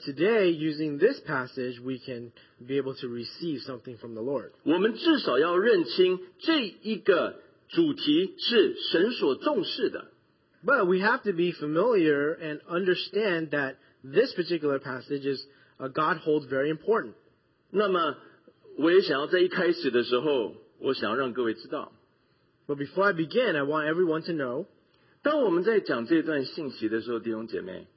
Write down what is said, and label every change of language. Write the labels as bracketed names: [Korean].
[English] today, using this passage, we can be able to receive something from the Lord. [Chinese] 我们至少要认清这一个主题是神所重视的。 [English] But we have to be familiar and understand that this particular passage is a God holds very important. [Chinese] 那么我也想要在一开始的时候，我想要让各位知道。 [English] But before I begin, I want everyone to know, [Chinese] 当我们在讲这段信息的时候，弟兄姐妹,